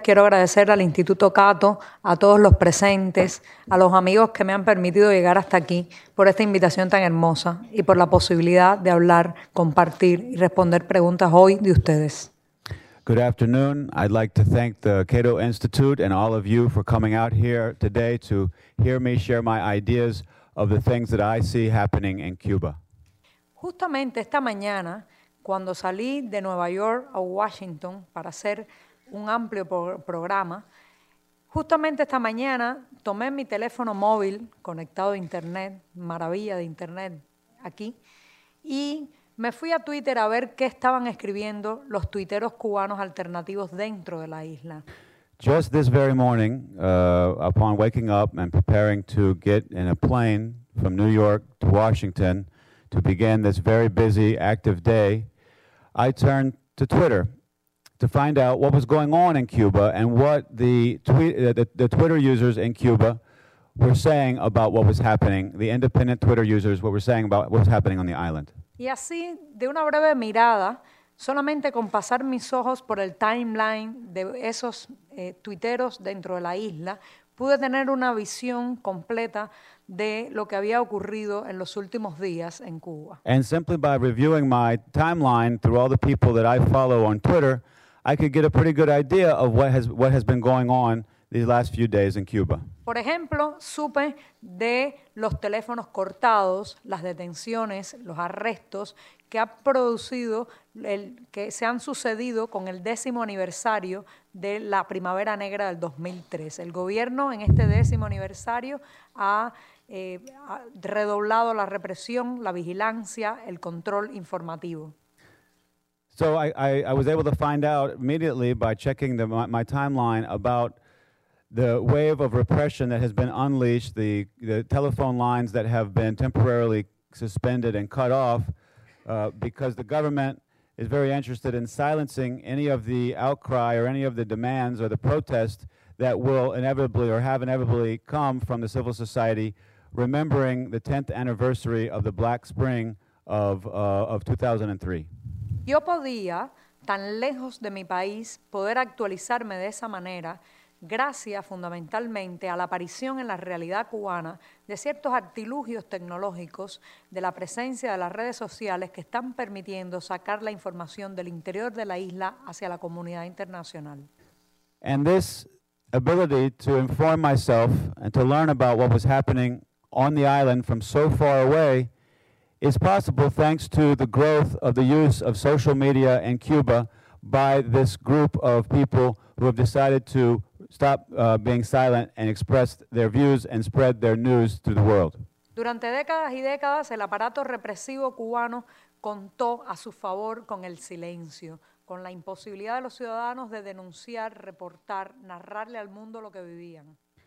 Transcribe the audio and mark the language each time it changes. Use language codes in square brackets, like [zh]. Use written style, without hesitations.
[es] Quiero agradecer al Instituto Cato, a todos los presentes, a los amigos que me han permitido llegar hasta aquí por esta invitación tan hermosa y por la posibilidad de hablar, compartir y responder preguntas hoy de ustedes. [en] Good afternoon. I'd like to thank the Cato Institute and all of you for coming out here today to hear me share my ideas of the things that I see happening in Cuba. [es] Justamente esta mañana, cuando salí de Nueva York a Washington para hacer un amplio programa, justamente esta mañana tomé mi teléfono móvil conectado a Internet, maravilla de Internet aquí, y me fui a Twitter a ver qué estaban escribiendo los tuiteros cubanos alternativos dentro de la isla. [en] Just this very morning, upon waking up and preparing to get in a plane from New York to Washington to begin this very busy, active day, I turned to Twitter to find out what was going on in Cuba and what the Twitter users in Cuba were saying about what was happening, the independent Twitter users, what were saying about what was happening on the island. [es] Y así, de una breve mirada, solamente con pasar mis ojos por el timeline de esos tuiteros dentro de la isla, pude tener una visión completa de lo que había ocurrido en los últimos días en Cuba. [en] And simply by reviewing my timeline through all the people that I follow on Twitter, I could get a pretty good idea of what has been going on these last few days in Cuba. [es] Por ejemplo, supe de los teléfonos cortados, las detenciones, los arrestos que ha producido el que se han sucedido con el décimo aniversario de la Primavera Negra del 2003. El gobierno en este décimo aniversario ha redoblado la represión, la vigilancia, el control informativo. [en] So I was able to find out immediately by checking my timeline about the wave of repression that has been unleashed, the telephone lines that have been temporarily suspended and cut off because the government is very interested in silencing any of the outcry or any of the demands or the protest that will inevitably or have inevitably come from the civil society remembering the 10th anniversary of the Black Spring of 2003. [es] Yo podía, tan lejos de mi país, poder actualizarme de esa manera gracias fundamentalmente a la aparición en la realidad cubana de ciertos artilugios tecnológicos de la presencia de las redes sociales que están permitiendo sacar la información del interior de la isla hacia la comunidad internacional. [en] And this ability to inform myself and to learn about what was happening on the island from so far away is possible thanks to the growth of the use of social media in Cuba by this group of people who have decided to stop being silent and express their views and spread their news to the world. [es] Durante décadas y décadas, el aparato represivo cubano contó a su favor con el silencio, con la imposibilidad de los ciudadanos de denunciar, reportar, narrarle al mundo lo que vivían.